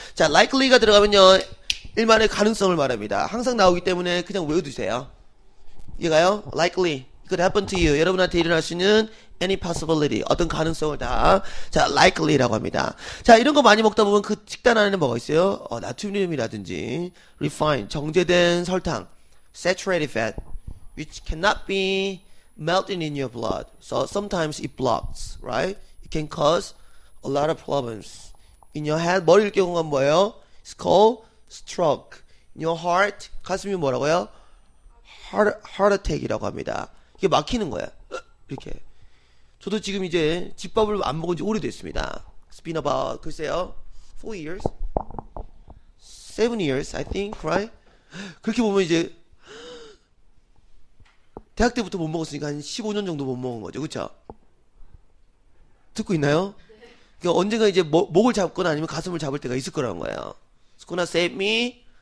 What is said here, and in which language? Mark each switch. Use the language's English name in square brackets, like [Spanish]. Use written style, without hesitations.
[Korean] 자, likely가 들어가면요, 일말의 가능성을 말합니다. 항상 나오기 때문에 그냥 외워두세요. 이해가요? [English] likely. could happen to you. [Korean] 여러분한테 일어날 수 있는 [English] any possibility. [Korean] 어떤 가능성을 다. 자, likely라고 합니다. 자, 이런 거 많이 먹다 보면 그 식단 안에는 뭐가 있어요? 나트륨이라든지, [English] refined, [Korean] 정제된 설탕, [English] saturated fat, which cannot be melted in your blood. So sometimes it blocks, right? It can cause a lot of problems in your head. [Korean] 머리일 경우가 뭐예요? [English] It's called stroke. In your heart, [Korean] 가슴이 뭐라고요? heart attack이라고 합니다. 이게 막히는 거야. 이렇게. 저도 지금 이제 집밥을 안 먹은 지 오래됐습니다. [English] It's been about, [Korean] 글쎄요, [English] 4 years? 7 years, I think, right? [Korean] 그렇게 보면 이제, 대학 때부터 못 먹었으니까 한 15년 정도 못 먹은 거죠. 그쵸? 듣고 있나요? 그러니까 언젠가 이제 목을 잡거나 아니면 가슴을 잡을 때가 있을 거라는 거예요. [English] It's gonna save me.